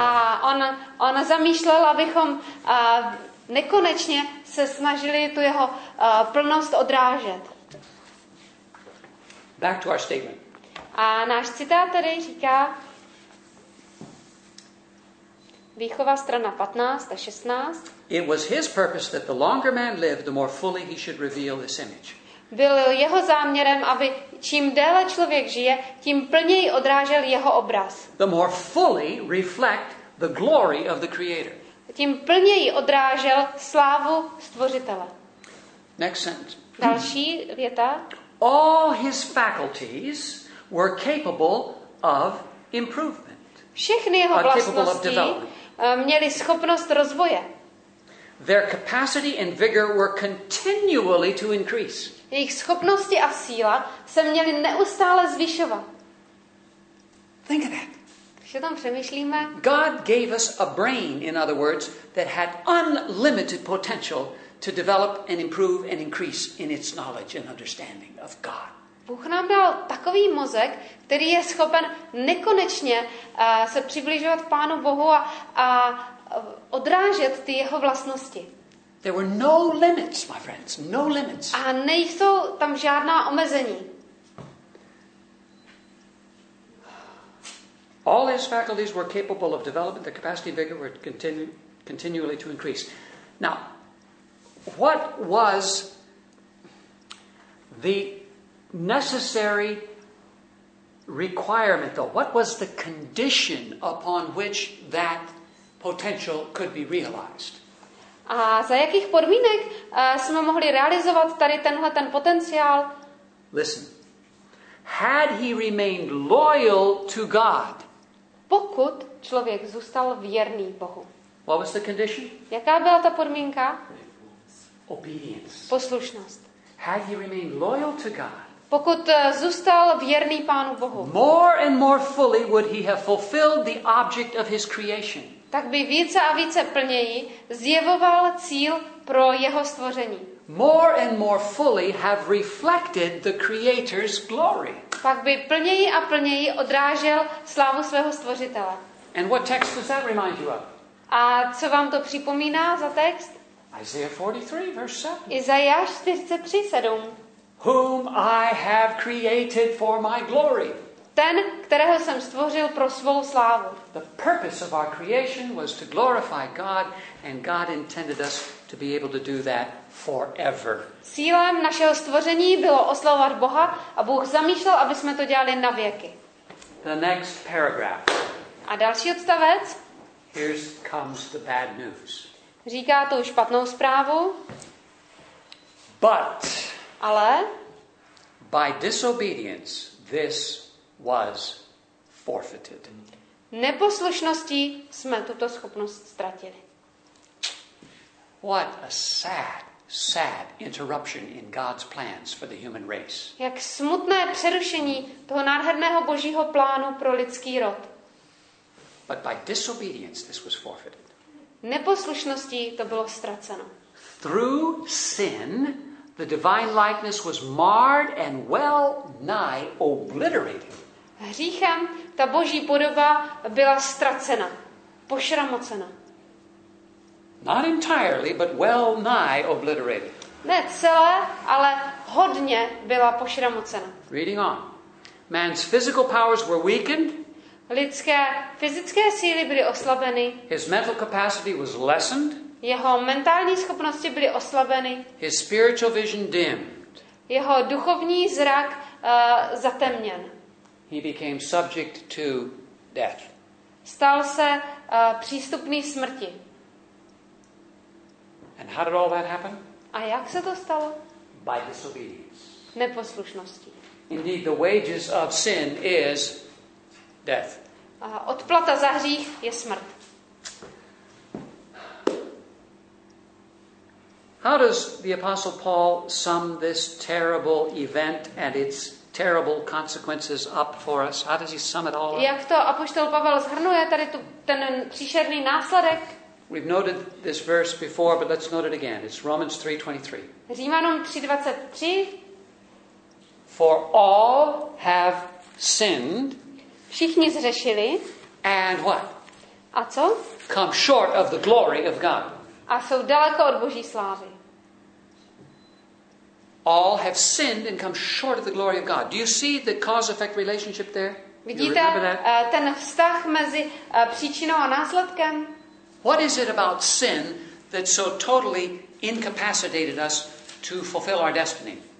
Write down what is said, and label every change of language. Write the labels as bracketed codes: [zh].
[cs] A on zamýšlel, abychom nekonečně se snažili tu jeho plnost odrážet. [en] Back to our statement. [cs] A náš citát tady říká Výchova strana 15 a 16. [en] It was his purpose that the longer man lived, the more fully he should reveal this image. [cs] Byl jeho záměrem, aby čím déle člověk žije, tím plněji odrážel jeho obraz. [en] The more fully reflect the glory of the creator. [cs] Tím plněji odrážel slávu stvořitele. [en] Next sentence. [cs] Další věta. [en] All his faculties were capable of improvement. [cs] Všechny jeho vlastnosti měly schopnost rozvoje. [en] Their capacity and vigor were continually to increase. [cs] Jejich schopnosti a síla se měly neustále zvyšovat. [en] Think of that. [cs] Když o tom přemýšlíme. [en] God gave us a brain, in other words, that had unlimited potential to develop and improve and increase in its knowledge and understanding of God. [cs] Bůh nám dal takový mozek, který je schopen nekonečně se přibližovat Pánu Bohu a odrážet ty jeho vlastnosti. [en] There were no limits, my friends, no limits. [cs] A nejsou tam žádná omezení. [en] All his faculties were capable of development. The capacity and vigor were continually to increase. Now, what was the necessary requirement, though? What was the condition upon which that potential could be realized? [cs] A za jakých podmínek jsme mohli realizovat tady tenhle ten potenciál? [en] Listen. Had he remained loyal to God? [cs] Pokud člověk zůstal věrný Bohu. [en] What was the condition? [cs] Jaká byla ta podmínka? [en] Obedience. [cs] Poslušnost. [en] Had he remained loyal to God? [cs] Pokud zůstal věrný Pánu Bohu. [en] More and more fully would he have fulfilled the object of his creation. [cs] Tak by více a více plněji zjevoval cíl pro jeho stvoření. [en] More and more fully have reflected the Creator's glory. [cs] Pak by plněji a plněji odrážel slávu svého stvořitele. [en] And what text does that remind you of? [cs] A co vám to připomíná za text? [en] Isaiah 43, verse 7. [cs] Izajáš 43, 7. [en] Whom I have created for my glory. [cs] Ten, kterého jsem stvořil pro svou slávu. [en] The purpose of our creation was to glorify God, and God intended us to be able to do that forever. [cs] Cílem našeho stvoření bylo oslavovat Boha a Bůh zamýšlel, aby jsme to dělali na věky. [en] The next paragraph. [cs] A další odstavec. [en] Here comes the bad news. [cs] Říká tu špatnou zprávu. [en] But. [cs] Ale. [en] By disobedience this was forfeited. [cs] Neposlušností jsme tuto schopnost ztratili. [en] What a sad interruption in God's plans for the human race. [cs] Jak smutné přerušení toho nádherného božího plánu pro lidský rod. [en] But by disobedience this was forfeited. [cs] Neposlušností to bylo ztraceno. [en] Through sin the divine likeness was marred and well nigh obliterated. [cs] Hříchem ta boží podoba byla ztracena, pošramocena. [en] Not entirely, but well nigh obliterated. [cs] Ne celé, ale hodně byla pošramocena. [en] Reading on. Man's physical powers were weakened. [cs] Lidské fyzické síly byly oslabeny. [en] His mental capacity was lessened. [cs] Jeho mentální schopnosti byly oslabeny. [en] His spiritual vision dimmed. [cs] Jeho duchovní zrak zatemněn. [en] He became subject to death. [cs] Stal se přístupný smrti. [en] And how did all that happen? [cs] A jak se to stalo? [en] By disobedience. [cs] Neposlušností. [en] Indeed, the wages of sin is death. [cs] Odplata za hřích je smrt. [en] How does the Apostle Paul sum this terrible event and its terrible consequences up for us? How does he sum it all up? [cs] Jak to apoštol Pavel shrnuje tady tu ten příšerný následek? [en] We've noted this verse before, but let's note it again. It's Romans 3:23. [cs] Římanům 3:23. [en] For all have sinned. [cs] Všichni zřešili. [en] And what? [cs] A co? [en] Come short of the glory of God. [cs] A jsou daleko od Boží slávy. [en] All have sinned and come short of the glory of God. Do you see the cause-effect relationship there? [cs] Vidíte ten vztah mezi příčinou a následkem? [en] What is it about sin that so totally incapacitated us to fulfill our destiny?